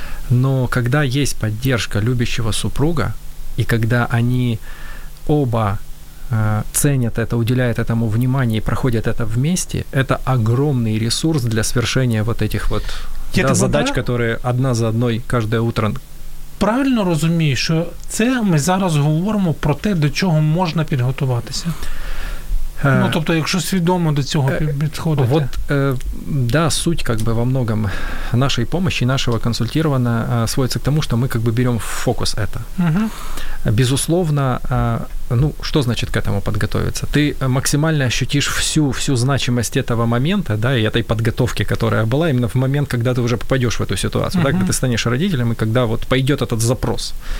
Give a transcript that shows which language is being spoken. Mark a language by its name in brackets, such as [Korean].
[Russian] Но когда есть поддержка любящего супруга, и когда они оба ценят это, уделяют этому внимание и проходят это вместе, это огромный ресурс для свершения вот этих вот, да, задач, которые одна за одной каждое утро. [Ukrainian] Правильно розумію, що це ми зараз говоримо про те, до чого можна підготуватися. Ну, тобто, якщо свідомо до цього підходити. [Russian] Вот, да, суть как бы во многом нашей помощи, нашего консультирования сводится к тому, что мы как бы берем в фокус это. Безусловно, ну, что значит к этому подготовиться? Ты максимально ощутишь всю значимость этого момента, да, и этой подготовки, которая была именно в момент, когда ты уже попадешь в эту ситуацию, да, когда ты станешь родителем, и когда вот пойдет этот запрос.